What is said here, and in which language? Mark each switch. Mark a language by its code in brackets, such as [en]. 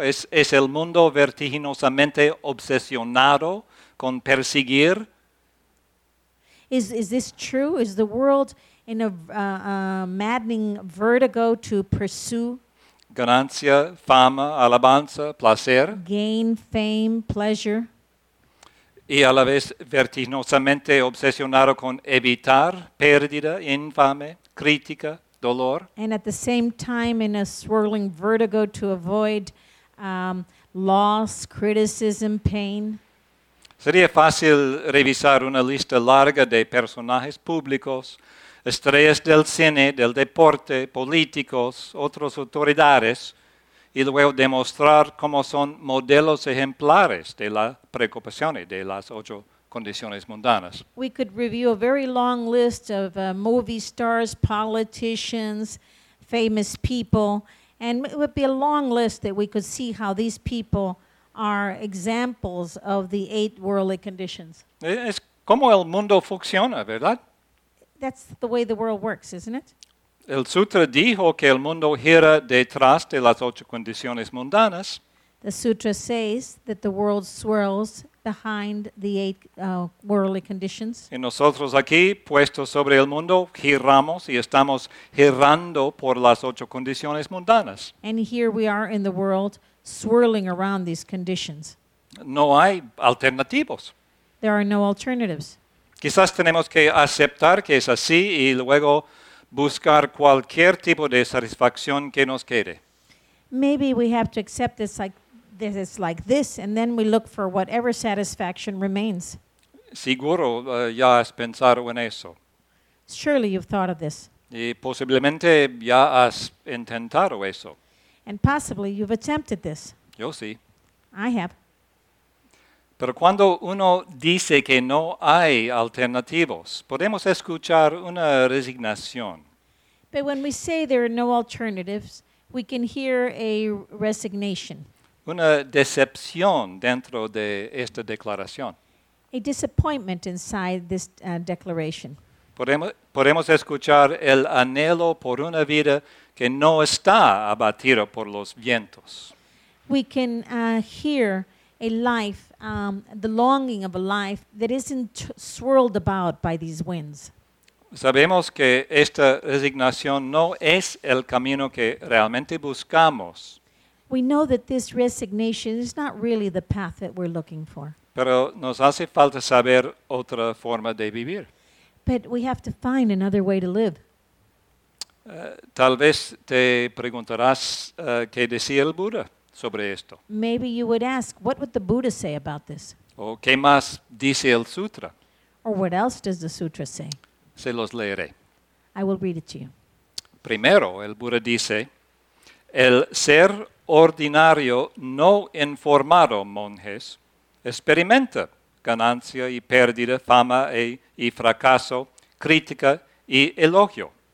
[es] ¿Es el mundo vertiginosamente obsesionado con perseguir? [en] Is this true? Is the world in a maddening vertigo to pursue? [es] Ganancia, fama, alabanza, placer. [en] Gain, fame, pleasure. [es] Y a la vez vertiginosamente obsesionado con evitar pérdida, infame, crítica, dolor. [en] And at the same time in a swirling vertigo to avoid loss, criticism, pain. [es] Sería fácil revisar una lista larga de personajes públicos, estrellas del cine, del deporte, políticos, otras autoridades, y luego demostrar cómo son modelos ejemplares de las preocupaciones de las 8 condiciones mundanas. [en] We could review a very long list of movie stars, politicians, famous people, and it would be a long list that we could see how these people are examples of the 8 worldly conditions. [es] Es como el mundo funciona, ¿verdad? [en] That's the way the world works, isn't it? [es] El sutra dijo que el mundo gira detrás de las 8 condiciones mundanas. [en] The sutra says that the world swirls behind the 8 worldly conditions. [es] Y nosotros aquí, puestos sobre el mundo, giramos y estamos girando por las 8 condiciones mundanas. [en] And here we are in the world, swirling around these conditions. [es] No hay alternativos. [en] There are no alternatives. [es] Quizás tenemos que aceptar que es así y luego buscar cualquier tipo de satisfacción que nos quede. [en] Maybe we have to accept this like this is like this, and then we look for whatever satisfaction remains. [es] Siguro ya has pensado en eso. [en] Surely you've thought of this. [es] Y posiblemente ya has intentado eso. [en] And possibly you've attempted this. [es] Yo sí. [en] I have. [es] Pero cuando uno dice que no hay alternativos, podemos escuchar una resignación. [en] But when we say there are no alternatives, we can hear a resignation. [es] Una decepción dentro de esta declaración. [en] A disappointment inside this declaration. [es] Podemos escuchar el anhelo por una vida que no está abatida por los vientos. [en] We can hear a life, the longing of a life that isn't swirled about by these winds. [es] Sabemos que esta resignación no es el camino que realmente buscamos. [en] We know that this resignation is not really the path that we're looking for. [es] Pero nos hace falta saber otra forma de vivir. [en] But we have to find another way to live. [es] Tal vez te preguntarás qué decía el Buda sobre esto. [en] Maybe you would ask, what would the Buddha say about this? [es] O qué más dice el Sutra? [en] Or what else does the Sutra say? [es] Se los leeré. [en] I will read it to you. [es] Primero, el Buda dice, el ser ordinario no informado, monjes, experimenta ganancia y pérdida, fama y fracaso, crítica y elogio.